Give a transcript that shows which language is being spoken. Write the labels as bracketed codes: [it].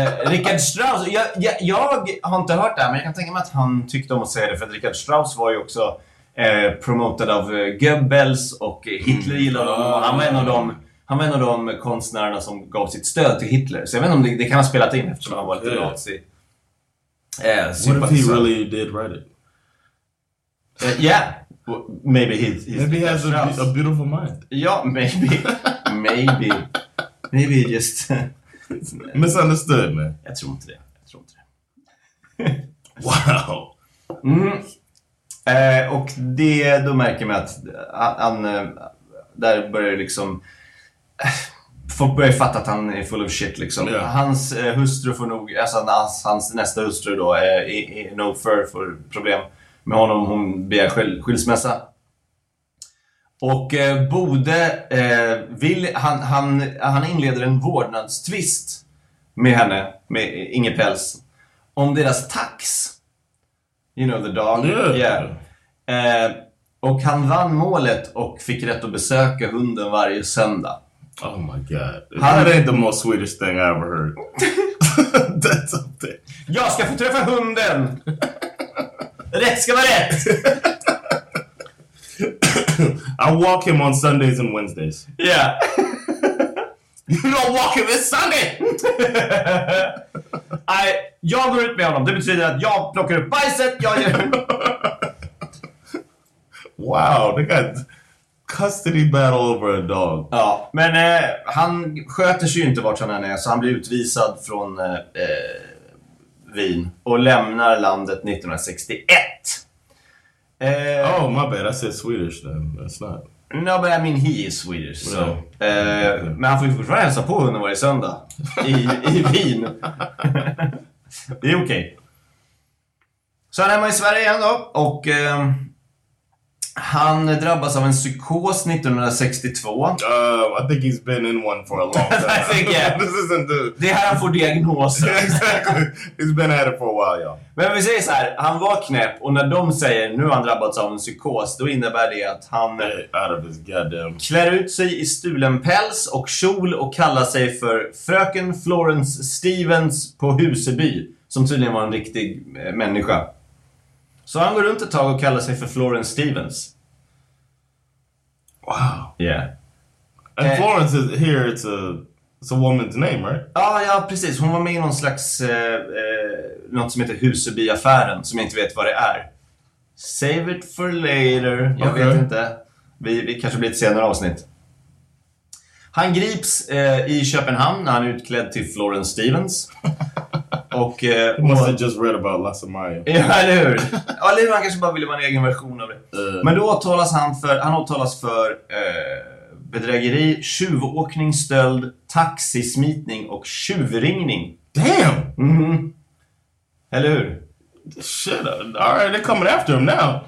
[sv] Richard Strauss, jag har inte hört det här, men jag kan tänka mig att han tyckte om att säga det, för att Richard Strauss var ju också promotad av Goebbels och Hitler gillade honom. Han var en av dem. Han var en av de konstnärerna som gav sitt stöd till Hitler. Så jag vet inte om det kan ha spelat in eftersom han var lite nazi. [en] What if he really did write it? Yeah. Maybe he's maybe he has a beautiful mind. Yeah, maybe. Maybe. Maybe he just... misunderstood, man. [sv] Jag tror inte det. Jag tror inte det. [en] Wow. Mm. [sv] Och det, då märker man att han... där börjar liksom... folk börjar fatta att han är [en] full of shit [sv] liksom. Yeah. Hans hustru får nog, alltså hans nästa hustru då är no fur för problem med honom, hon begär skilsmässa. Och Bode vill han inleder en vårdnadstvist med henne, med Inge Pels, om deras tax. [en] You know the dog. Yeah. Yeah. [sv] Och han vann målet och fick rätt att besöka hunden varje söndag. [en] Oh my god. That ain't the most Swedish thing I ever heard. That's up there. [sv] Jag ska få träffa hunden. Rätt ska vara rätt. [en] I walk him on Sundays and Wednesdays. Yeah. You don't walk him this Sunday. [sv] Jag går ut med honom. Det betyder att jag plockar upp bajset. [en] Wow, they got... custody battle over a dog. [sv] Ja, men han sköter sig ju inte vart han än är, så han blir utvisad från Wien och lämnar landet 1961. [en] Oh, my bad, I said Swedish then. That's not... No, but I mean he is Swedish. Yeah. So, okay. [sv] Men han får ju fortfarande hälsa på hunden varje söndag i Wien. Det är okej. [en] Okay. [sv] Så han är hemma i Sverige igen då, och... Han drabbas av en psykos 1962. [en] I think he's been in one for a long time. I think, yeah. This isn't the... [sv] Det här han får diagnosen. [en] Exactly. He's been at it for a while, yeah. [sv] Men vi säger så här, han var knäpp och när de säger nu han drabbats av en psykos, då innebär det att han klär ut sig i stulen päls och kjol och kallar sig för fröken Florence Stevens på Huseby, som tydligen var en riktig människa. Så han går runt ett tag och kallar sig för Florence Stevens. [en] Wow. Yeah. And Florence is here, it's a woman's name, right? [sv] Ja, ja, precis. Hon var med i någon slags något som heter Husebyaffären, som jag inte vet vad det är. [en] Save it for later. [sv] Jag okay. vet inte. Vi kanske blir ett senare avsnitt. Han grips i Köpenhamn när han är utklädd till Florence Stevens. Och måste ha [en] just read about Lasse Maja. [sv] Ja, eller hur? Eller hur, han kanske bara ville vara en egen version av det. Men då åtalas han åtalas för bedrägeri, tjuvåkning, stöld, taxismitning och tjuvringning. [en] Damn! [sv] Mm-hmm. Eller hur? [en] Shit, all right, they're coming after him now.